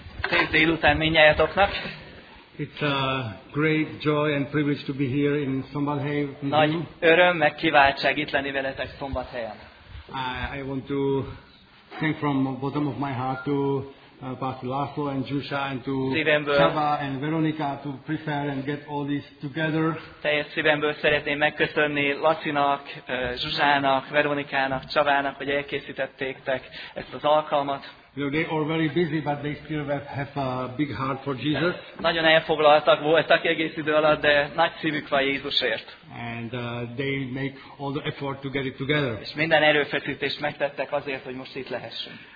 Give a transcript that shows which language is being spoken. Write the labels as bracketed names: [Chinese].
[Hungarian] Szép délután mindnyájatoknak. [English] It's a great joy and privilege to be here in Szombathely. [Hungarian] Nagy öröm, meg kiváltság itt lenni veletek Szombathelyen. [English] I want to thank from the bottom of my heart to Pastor László and Zsuzsa and to Csaba and Veronika to prepare and get all this together. [Hungarian] Teljes szívemből szeretném megköszönni Lacinak, Zsuzsának, Veronikának, Csavának, hogy elkészítettétek ezt az alkalmat. [English] You know, they are very busy, but they still have a big heart for Jesus. [Hungarian] Nagyon elfoglaltak voltak egész idő alatt, de nagy szívük van Jézusért. [English] And they make all the effort to get it together. [Hungarian] És minden erőfeszítést megtettek azért, hogy most itt lehessünk.